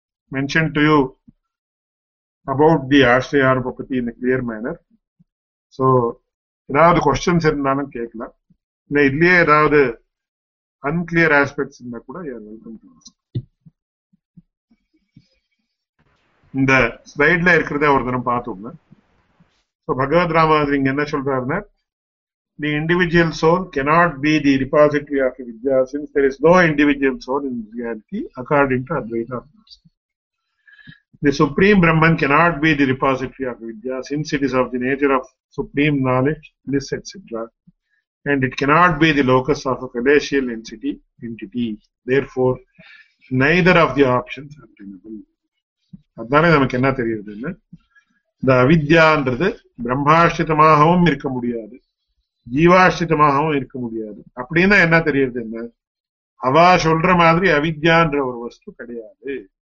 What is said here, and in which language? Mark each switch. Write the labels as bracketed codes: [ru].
[en] mentioned to you about the āśrayānupapatti in a clear manner. [ta] So, ஏதாவது questions இருந்தாலும் கேட்கலாம். இல்லை இதுலயே ஏதாவது [en] unclear aspects [ta] இருந்தா கூட [en] Welcome to. [ta] இந்த ஸ்லைட்ல இருக்கிறத ஒரு தினம் பார்த்தோம். ஸோ பகவத் ராமாதிரி இங்க என்ன சொல்றாருன்னா, [en] The individual soul cannot be the repository of vidya, since there is no individual soul in reality according to Advaita. The Supreme Brahman cannot be the repository of Vidya, since it is of the nature of supreme knowledge, bliss, etc. And it cannot be the locus of a fallacial entity. Therefore, neither of the options are tenable. [ta] அதனால நமக்கு என்ன தெரியுது, இந்த அவித்யான்றது பிரம்மாஷ்டிதமாகவும் இருக்க முடியாது, ஜீவாஷ்டிதமாகவும் இருக்க முடியாது. அப்படின்னா என்ன தெரியுது, என்ன அவா சொல்ற மாதிரி அவித்யான்ற ஒரு வஸ்து கிடையாது